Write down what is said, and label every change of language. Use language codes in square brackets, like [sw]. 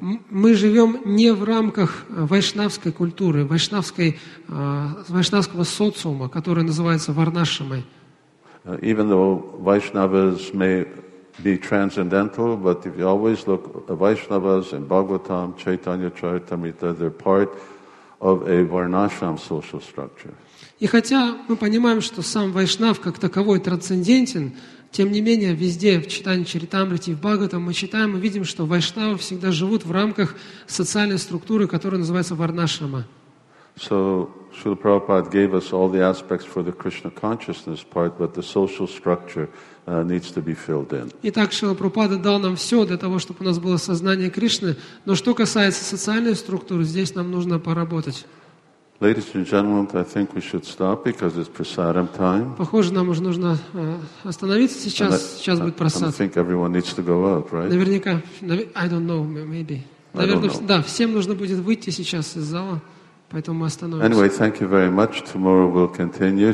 [ru] Мы живем не в рамках вайшнавской культуры, вайшнавского социума, который называется варнашамой. [en] Even though Vaishnavas may be transcendental, but if you always look at Vaishnavas and Bhagavatam, Chaitanya Charitamrita, they're part of a Varnashram social structure. [ru] И хотя мы понимаем, что сам Вайшнав как таковой трансцендентен, тем не менее везде в Чайтанья Чаритамрите и в Бхагаватам мы читаем и видим, что Вайшнавы всегда живут в рамках социальной структуры, которая называется Варнашрама. [en] So Srila Prabhupada gave us all the aspects for the Krishna consciousness part, but the social structure needs to be filled in. [ru] Итак, Шрила Прабхупада дал нам все для того, чтобы у нас было сознание Кришны, но что касается социальной структуры, здесь нам нужно поработать. [en] Ladies and gentlemen, I think we should stop because it's prasadam time. [ru] Похоже, нам уже нужно остановиться сейчас. Сейчас будет прасад. [en] I think everyone needs to go out, right? [ru] Наверняка. [en] I don't know, maybe. [ru] Наверное, да, всем нужно будет выйти сейчас из зала, поэтому мы остановимся. [en] Anyway, thank you very much. Tomorrow we'll continue.